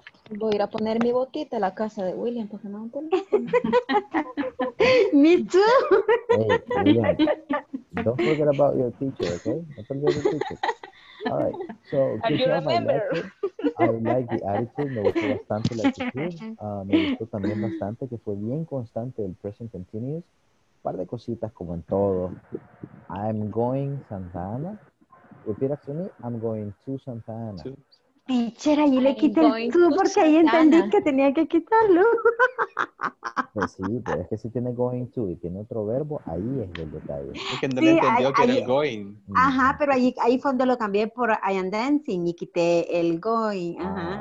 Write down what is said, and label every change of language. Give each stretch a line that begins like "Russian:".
Spanish: Voy a ir a poner mi botita a la casa de William porque no me
English: Me too. Hey, William, don't forget about your teacher, okay? Don't forget your teacher. All right. So, good job. I like the attitude.
Spanish: Me gustó bastante la actitud. Me gustó también bastante que fue bien constante el present continuous. Un par de cositas como en todo.
English: I'm going Santa Ana. Repeat after me. I'm going to Santa Ana.
Spanish: Teacher, ahí le quité el tú porque ahí entendí que tenía que quitarlo. Pues sí, pero es que si tiene going to y tiene otro verbo, ahí es el detalle. Es que no le entendió que era going. Ajá, pero ahí fue donde lo cambié por
English: I am dancing
Spanish: y quité el going. Ajá.